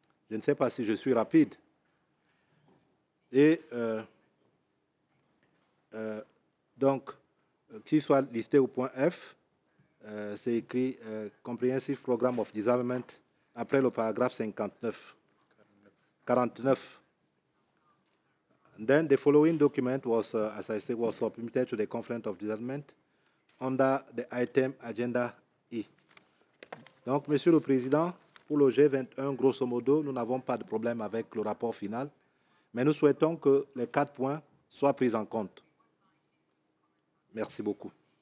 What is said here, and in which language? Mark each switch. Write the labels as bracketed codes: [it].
[fr] Je ne sais pas si je suis rapide. Et donc, qu'il soit listé au point F, c'est écrit « Comprehensive Program of Disarmament » après le paragraphe 49. [en] Then the following document was, as I said, was submitted to the Conference of Disarmament under the item Agenda E. [fr] Donc, Monsieur le Président, pour le G21, grosso modo, nous n'avons pas de problème avec le rapport final, mais nous souhaitons que les 4 points soient pris en compte. Merci beaucoup.